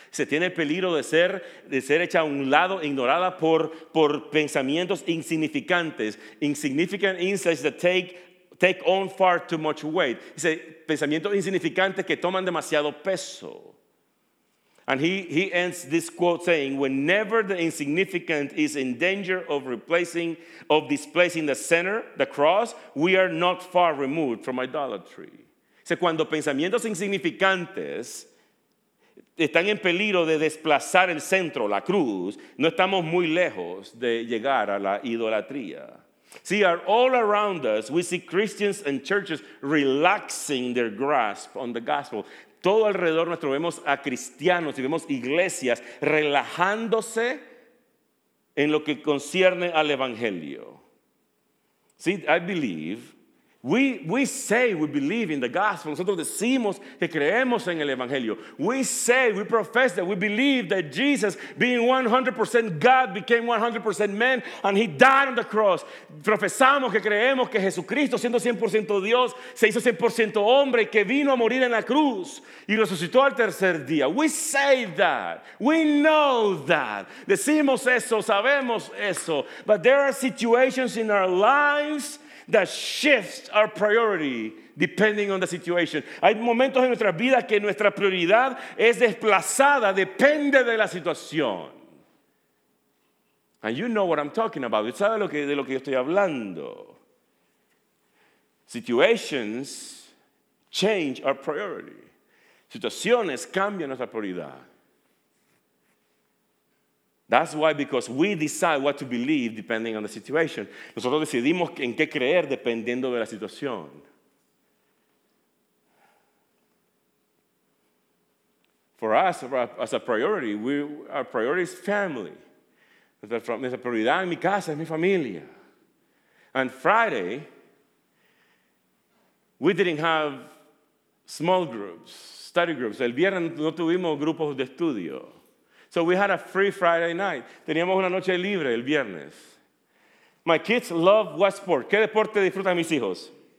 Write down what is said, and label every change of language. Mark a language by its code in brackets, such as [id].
[es] Se tiene peligro de ser hecha a un lado, ignorada por pensamientos insignificantes. [en] Insignificant insights that take on far too much weight. [es] Dice, pensamientos insignificantes que toman demasiado peso. [en] And he ends this quote saying, whenever the insignificant is in danger of displacing the center, the cross, we are not far removed from idolatry. [es] Dice, cuando pensamientos insignificantes están en peligro de desplazar el centro, la cruz, no estamos muy lejos de llegar a la idolatría. [en] See, all around us, we see Christians and churches relaxing their grasp on the gospel. [es] Todo alrededor nuestro vemos a cristianos y vemos iglesias relajándose en lo que concierne al evangelio. [en] See, I believe, we say we believe in the gospel. [es] Nosotros decimos que creemos en el evangelio. [en] We say, we profess that we believe that Jesus, being 100% God, became 100% man, and he died on the cross. [es] Profesamos que creemos que Jesucristo, siendo 100% Dios, se hizo 100% hombre y que vino a morir en la cruz y resucitó al tercer día. [en] We say that. We know that. [es] Decimos eso, sabemos eso. [en] But there are situations in our lives that shifts our priority depending on the situation. [es] Hay momentos en nuestras vidas que nuestra prioridad es desplazada, depende de la situación. [en] And you know what I'm talking about. [es] ¿Sabes de lo que yo estoy hablando? [en] Situations change our priority. [es] Situaciones cambian nuestra prioridad. [en] That's why, because we decide what to believe depending on the situation. [es] Nosotros decidimos en qué creer dependiendo de la situación. [en] For us, as a priority, our priority is family. [es] Nuestra prioridad en mi casa es mi familia. [en] And Friday, we didn't have small groups, study groups. [es] El viernes no tuvimos grupos de estudio. [en] So we had a free Friday night. [es] Teníamos una noche libre el viernes. [en] My kids love what sport? [es] ¿Qué deporte disfrutan mis hijos?